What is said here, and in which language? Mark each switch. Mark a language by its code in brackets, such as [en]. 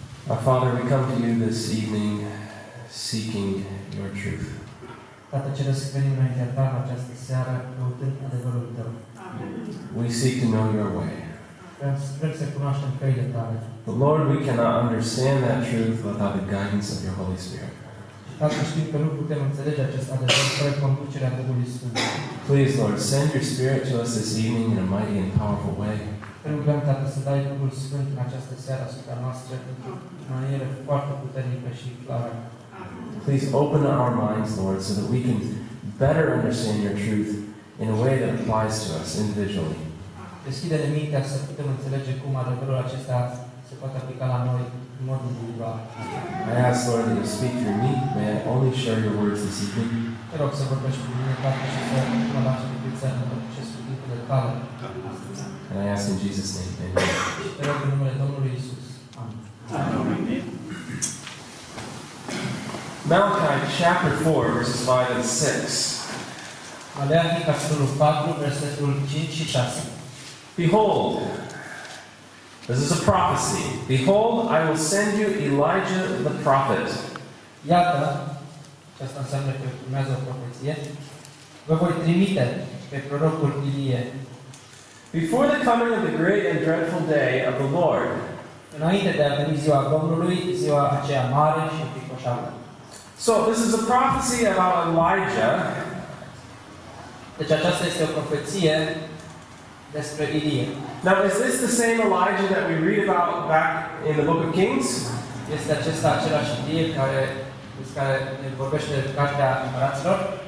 [en] Our Father, we come to you this evening seeking your truth. [ro] Tată Ceresc, venim înaintea ta această seară căutând adevărul tău. [en] We seek to know your way. [ro] Vrem să cunoaștem căile tale. [en] But Lord, we cannot understand that truth without the guidance of your Holy Spirit. [ro] Tată, știm că nu putem înțelege acest adevăr fără conducerea Duhului Sfânt. [en] Please, Lord, send your Spirit to us this evening in a mighty and powerful way. [ro] Te rugăm, Tată, să dai Duhul Sfânt în această seară asupra noastră pentru manieră foarte puternică și clară. [en] Please open our minds, Lord, so that we can better understand your truth in a way that applies to us individually. [ro] Deschide-ne mintea să putem înțelege cum adevărul acesta se poate aplica la noi în mod individual. [en] I ask, Lord, that you speak through me. May I only share your words this evening. [ro] Te rog să vorbești cu mine, Tată, și să mă lași cu prițelă în acest cuvântul de tale. [en] And I ask in Jesus' name, amen. [ro] Te rog în numele Domnului Iisus. [en] Amen. Malachi chapter 4, verses 5 and 6. [ro] Maleahi, capitolul 4, versetul 5 și 6. [en] Behold, this is a prophecy. Behold, I will send you Elijah the prophet. [ro] Iată, aceasta înseamnă că urmează o profeție. Vă voi trimite pe prorocul Ilie. [en] Before the coming of the great and dreadful day of the Lord. [ro] Înainte de a veni ziua Domnului, ziua aceea mare și fricoșată. [en] So this is a prophecy about Elijah. [ro] Deci aceasta este o profeție despre Ilie. [en] Now is this the same Elijah that we read about back in the book of Kings? [ro] este acesta același idee care care vorbește de cartea împăraților?